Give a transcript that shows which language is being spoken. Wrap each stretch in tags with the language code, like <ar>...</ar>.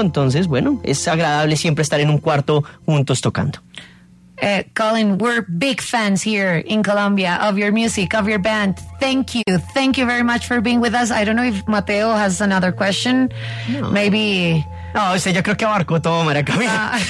<es>Entonces, bueno, es agradable siempre estar en un cuarto juntos tocando.</es> <en>Colin, we're big fans here in Colombia of your music, of your band. Thank you. Thank you very much for being with us. I don't know if Mateo has another question. No. Maybe.</en> <es>No, usted ya creo que abarcó todo, María Camila.</es>